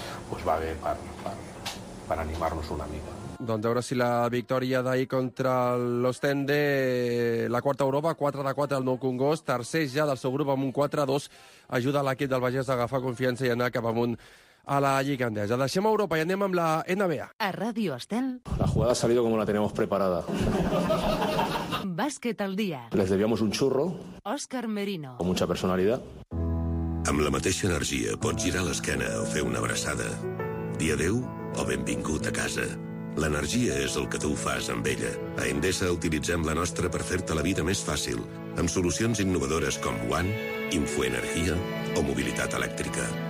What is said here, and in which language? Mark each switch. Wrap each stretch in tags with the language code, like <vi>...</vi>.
<ca>pues va bé per animar-nos una mica. Doncs a veure si la victòria d'ahir contra l'Ostende, la quarta Europa, 4-4 al nou Congost, tercer ja del seu grup amb un 4-2, ajuda l'equip del Vallès a agafar confiança i anar cap amunt a la Lliga Endesa. Deixem a Europa i anem amb la NBA. A Ràdio Estel.</ca> <es>La jugada ha salido como la teníamos preparada.</es> <ca>Bàsquet al dia.</ca> <es>Les debíamos un churro.</es> <ca>Òscar Merino.</ca> <es>Con mucha personalidad.</es> <ca>Amb la mateixa energia pots girar l'esquena o fer una abraçada. Di adeu o benvingut a casa. L'energia és el que tu fas amb ella. A Endesa utilitzem la nostra per fer-te la vida més fàcil, amb solucions innovadores com One, Infoenergia o Mobilitat Elèctrica.</ca>